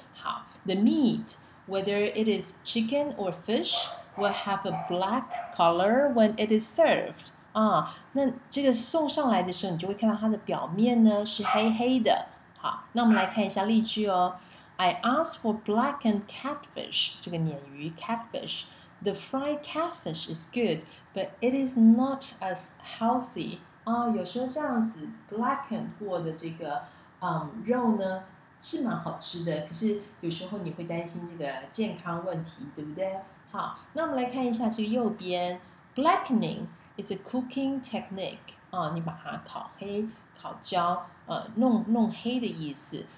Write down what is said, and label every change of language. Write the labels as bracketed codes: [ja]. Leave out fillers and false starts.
[en] 好 ，the meat。Whether it is chicken or fish, will have a black color when it is served. [zh] 啊，那这个送上来的时候，你就会看到它的表面呢是黑黑的。好，那我们来看一下例句哦。 [en] I asked for blackened catfish. [zh] 这个鲶鱼 [en] catfish. The fried catfish is good, but it is not as healthy. [zh] 啊，有时候这样子 blackened 过的这个肉呢。是蛮好吃的，可是有时候你会担心这个健康问题，对不对？好，那我们来看一下这个右边 ， [en] blackening is a cooking technique [zh] 啊，你把它烤黑、烤焦，弄黑的意思。